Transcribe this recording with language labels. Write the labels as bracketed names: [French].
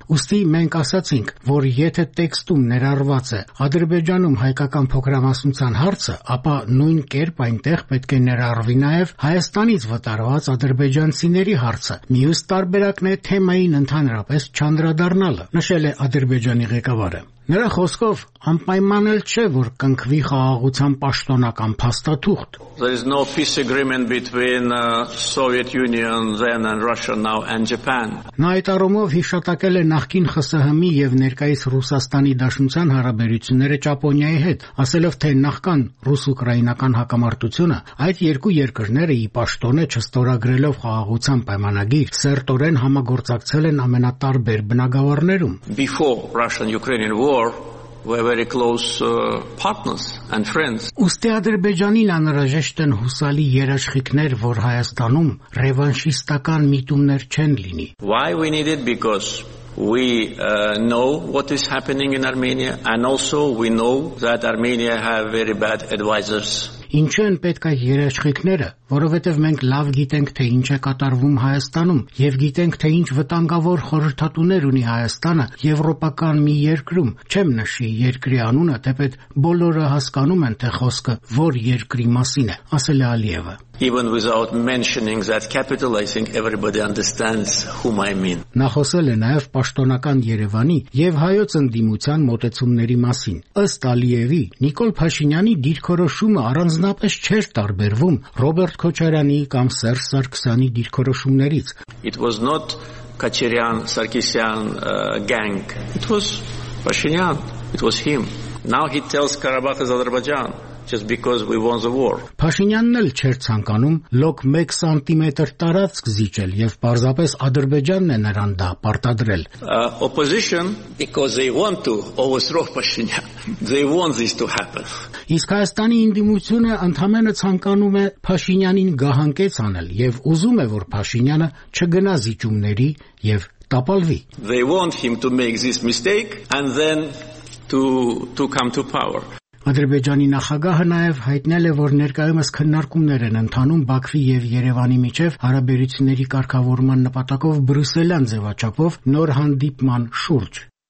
[Armenian] Ուստի մենք ասացինք, որ եթե տեքստում ներառված է Ադրբեջանում հայկական փոքրամասնության հարցը, ապա նույն կերպ այնտեղ պետք է ներառվի նաև Հայաստանից վտարված ադրբեջանցիների հարցը։ Մյուս տարբերակն է թեմային ընդհանրապես չանդրադառնալը, նշել է Ադրբեջանի ղեկավարը։ Նրա խոսքով անպայման էլ չէ, որ կնքվի խաղաղության պաշտոնական փաստաթուղթ։ [English] There is no peace agreement between Soviet Union then and Russia now and Japan. [Armenian] Նայտարումով հիշատակել է նախկին ԽՍՀՄ-ի եւ ներկայիս Ռուսաստանի Դաշնության հարաբերությունները Ճապոնիայի հետ, ասելով թե նախկան ռուս-ուկրաինական հակամարտությունը այդ երկու երկրները ի պաշտոնե չստորագրելով խաղաղության պայմանագիր սերտորեն համագործակցել են ամենատարբեր բնագավառներում։ [English] Before Russian-Ukrainian war, we are very close partners and friends. [Armenian] Ուստի Ադրբեջանին անհրաժեշտ են հուսալի երաշխիքներ, որ Հայաստանում ռևանշիստական միտումներ չեն լինի։ [English] Why we need it? Because we know what is happening in Armenia, and also we know that Armenia have very bad advisors. [Armenian] Ինչու են պետք այդ երաշխիքները, որովհետև մենք լավ գիտենք, թե ինչ է կատարվում Հայաստանում, եւ գիտենք, թե ինչ վտանգավոր խորհրդատուներ ունի Հայաստանը եվրոպական մի երկրում, չեմ նշի երկրի անունը, թեպետ բոլորը հասկանում են, թե խոսքը որ երկրի մասին է, ասել է Ալիևը։ [English] Even without mentioning that capital, I think everybody understands whom I mean. [Armenian] Նախոսել է նաև պաշտոնական Երևանի եւ հայոց ընդդիմության մոտեցումների մասին։ Ըստ Ալիևի, Նիկոլ Փաշինյանի դիրքորոշումը առանձնապես չէր տարբերվում Ռոբերտ Քոչարյանի կամ Սերժ Սարգսյանի դիրքորոշումներից։ [English] It was not Kocharyan, Sarkisyan gang. It was Pashinyan. It was him. Now he tells Karabakh is Azerbaijan. Just because we won the war. [Armenian] Փաշինյանն էլ չէր ցանկանում լոկ 1 սանտիմետր տարածք զիջել եւ պարզապես Ադրբեջանն է նրան դա պարտադրել։ [English] Opposition, because they want to overthrow Pashinyan. They want this to happen. [Armenian] Իսկ Հայաստանի ինդիմությունը ընդհանրապես ցանկանում է Փաշինյանին գահանկեց անել եւ ուզում է, որ Փաշինյանը չգնա զիջումների եւ տապալվի։ [English] They want him to make this mistake and then to come to power. [Armenian] Ադրբեջանի նախագահը նաև հայտնել է, որ ներկայումս քննարկումներ են ընթանում Բաքվի եւ Երևանի միջև հարաբերությունների կարգավորման նպատակով Բրյուսելյան ձևաչափով նոր հանդիպման շուրջ։